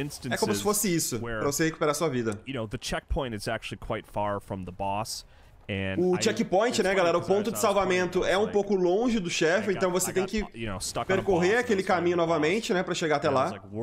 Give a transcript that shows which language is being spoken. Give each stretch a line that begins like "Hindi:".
Portuguese: É como se fosse isso, pra você recuperar sua vida.
English: You know, the checkpoint is actually quite far from the boss. And
Portuguese: o checkpoint, né, galera, o ponto de salvamento é um pouco longe do chefe, então você tem que percorrer aquele caminho novamente, né, pra chegar até lá.